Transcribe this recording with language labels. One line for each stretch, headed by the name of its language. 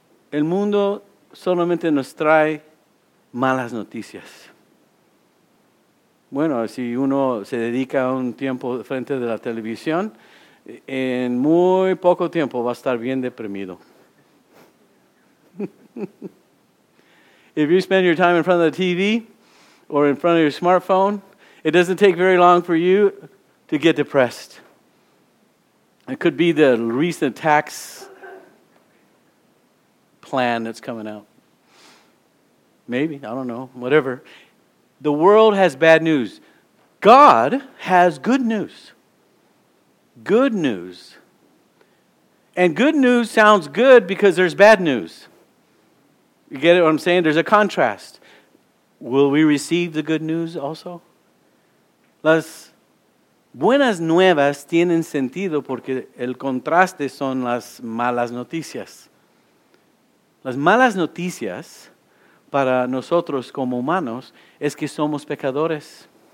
Spanish: El mundo solamente nos trae malas noticias. Bueno, si uno se dedica un tiempo frente de la televisión, en muy poco tiempo va a estar bien deprimido.
English: If you spend your time in front of the TV or in front of your smartphone, it doesn't take very long for you to get depressed. It could be the recent tax plan that's coming out. Maybe, I don't know, whatever. The world has bad news. God has good news. Good news. And good news sounds good because there's bad news. You get what I'm saying? There's a contrast. Will we receive the good news also?
Spanish: Las buenas nuevas tienen sentido porque el contraste son las malas noticias. Las malas noticias para nosotros como humanos es que somos pecadores.